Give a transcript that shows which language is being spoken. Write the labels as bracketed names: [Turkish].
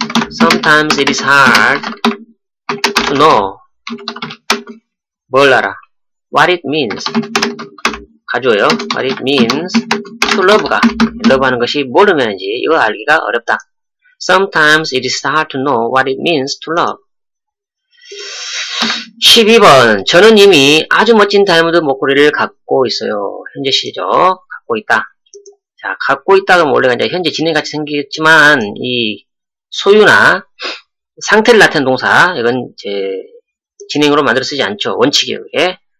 [English] Sometimes it is hard to know. [Korean] 뭘 알아? [English] What it means. [Korean] 가져요. [English] What it means to love가. [Korean] love 하는 것이 뭘 의미하는지 이거 알기가 어렵다. [English] Sometimes it is hard to know what it means to love. [Korean] 12번. 저는 이미 아주 멋진 다이아몬드 목걸이를 갖고 있어요. 현재 시죠. 갖고 있다. 자, 갖고 있다가 원래가 이제 현재 진행같이 생겼지만, 이 소유나 상태를 나타낸 동사, 이건 이제 진행으로 만들어 쓰지 않죠. 원칙이에요, 이게.